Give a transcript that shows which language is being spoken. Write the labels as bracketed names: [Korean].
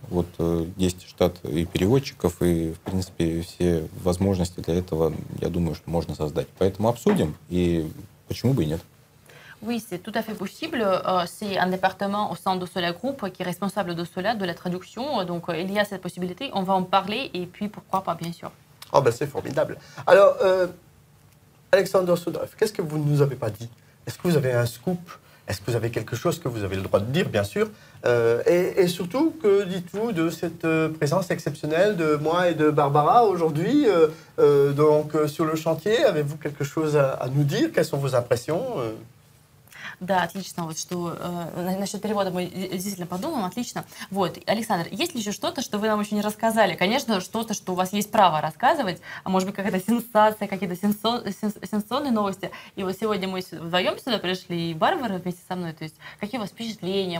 [Russian] Вот есть штат и переводчиков, и, в принципе, все возможности для этого, я думаю, что можно создать. Поэтому обсудим, и почему бы и нет. [French] Oui, c'est tout à fait possible. C'est un département au sein de Solar Group qui est responsable de cela, de la traduction. Donc, il y a cette possibilité. On va en parler et puis, pourquoi pas, bien sûr. Oh ben, c'est formidable. Alors, Alexander Soudreff, qu'est-ce que vous ne nous avez pas dit? Est-ce que vous avez un scoop? Est-ce que vous avez quelque chose que vous avez le droit de dire, bien sûr? Et surtout, que dites-vous de cette présence exceptionnelle de moi et de Barbara aujourd'hui sur le chantier? Avez-vous quelque chose à nous dire? Quelles sont vos impressions? [Russian] Да, отлично. Вот что насчет перевода мы действительно подумаем, отлично. Вот, Александр, есть ли еще что-то, что вы нам еще не рассказали? Конечно, что-то, что у вас есть право рассказывать, а может быть, какая-то сенсация, какие-то сенсационные новости. И вот сегодня мы вдвоем сюда пришли, и Барбара вместе со мной. То есть, какие у вас впечатления?